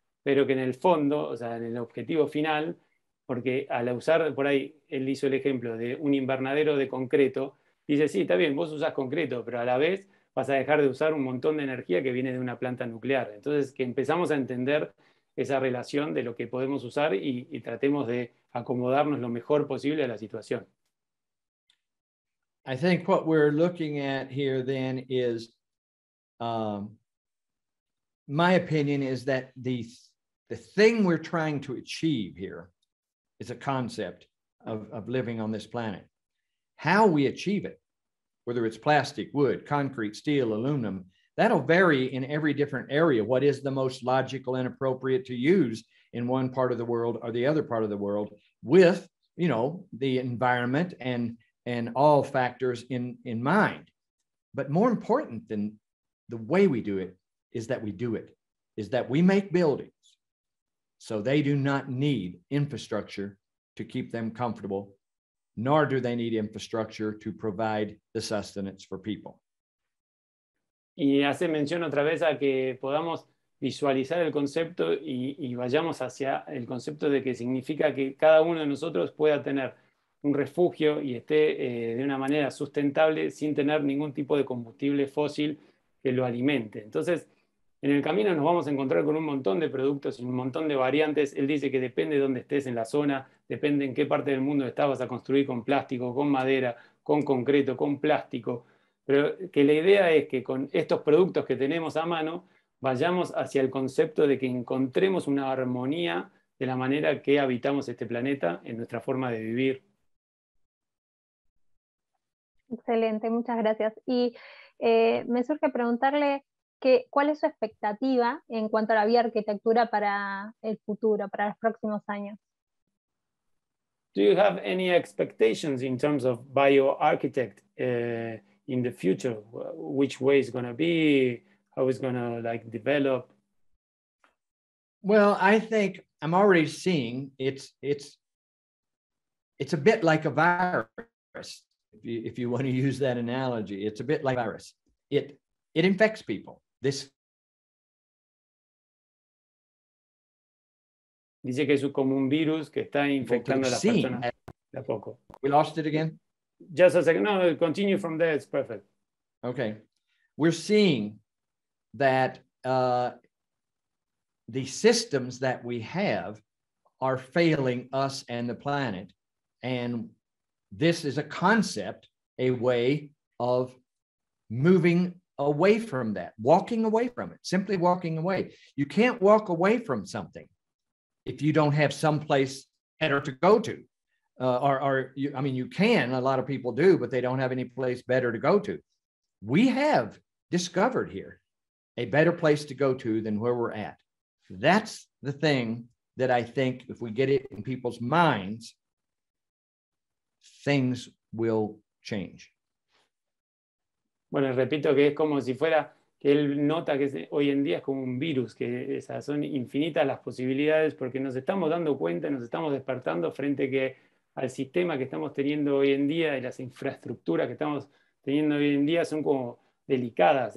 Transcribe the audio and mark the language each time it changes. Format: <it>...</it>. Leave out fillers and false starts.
<es>Pero que en el fondo, o sea, en el objetivo final, porque al usar, por ahí, él hizo el ejemplo de un invernadero de concreto, dice, sí, está bien, vos usás concreto, pero a la vez vas a dejar de usar un montón de energía que viene de una planta nuclear. Entonces, que empezamos a entender esa relación de lo que podemos usar y tratemos de acomodarnos lo mejor posible a la situación.</es> <en>I think what we're looking at here then is My opinion is that the thing we're trying to achieve here is a concept of living on this planet. How we achieve it, whether it's plastic, wood, concrete, steel, aluminum, that'll vary in every different area. What is the most logical and appropriate to use in one part of the world or the other part of the world with, you know, the environment and all factors in mind. But more important than the way we do it is that we do it, is that we make buildings so they do not need infrastructure to keep them comfortable, nor do they need infrastructure to provide the sustenance for people.</en> <es>Y hace mención otra vez a que podamos visualizar el concepto y vayamos hacia el concepto de que significa que cada uno de nosotros pueda tener un refugio y esté de una manera sustentable sin tener ningún tipo de combustible fósil que lo alimente. Entonces, en el camino nos vamos a encontrar con un montón de productos y un montón de variantes. Él dice que depende de dónde estés en la zona, depende en qué parte del mundo estás, vas a construir con plástico, con madera, con concreto, con plástico. Pero que la idea es que con estos productos que tenemos a mano vayamos hacia el concepto de que encontremos una armonía de la manera que habitamos este planeta en nuestra forma de vivir. Excelente, muchas gracias. Y me surge preguntarle que, ¿cuál es su expectativa en cuanto a la bioarquitectura para el futuro, para los próximos años?</es> <en>Do you have any expectations in terms of bioarchitect in the future? Which way is going to be? How it's going to like develop? Well, I think I'm already seeing it's a bit like a virus. If you want to use that analogy, it's a bit like a virus. It infects people. This.</en> <es>Dice que es como un virus que está infectando a las personas. De a poco.</es> <en>We lost it again? Just a second. No, continue from there. It's perfect. Okay. We're seeing that the systems that we have are failing us and the planet. And this is a concept, a way of moving away from that, walking away from it, simply walking away. You can't walk away from something if you don't have someplace better to go to. You can, a lot of people do, but they don't have any place better to go to. We have discovered here a better place to go to than where we're at. That's the thing that I think if we get it in people's minds, things will change.</en> <es>Bueno, repito que es como si fuera que él nota que hoy en día es como un virus, que son infinitas las posibilidades porque nos estamos dando cuenta, nos estamos despertando frente que al sistema que estamos teniendo hoy en día y las infraestructuras que estamos teniendo hoy en día son como delicadas.</es>